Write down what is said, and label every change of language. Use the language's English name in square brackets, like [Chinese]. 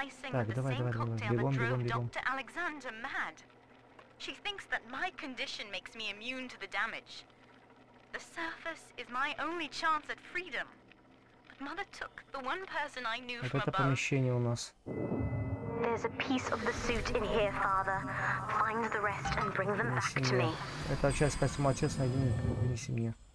[Russian] Так, давай, бегом. Доктор Александр mad. [English] She thinks that my condition makes me immune to the damage. The surface is my only chance at freedom. But mother took the one person I knew from above. [Russian] Это помещение у нас. [English] There's a piece of the suit in here, father. Find the rest and bring them back to me. [Russian] Это часть костюма, отец, найди мне.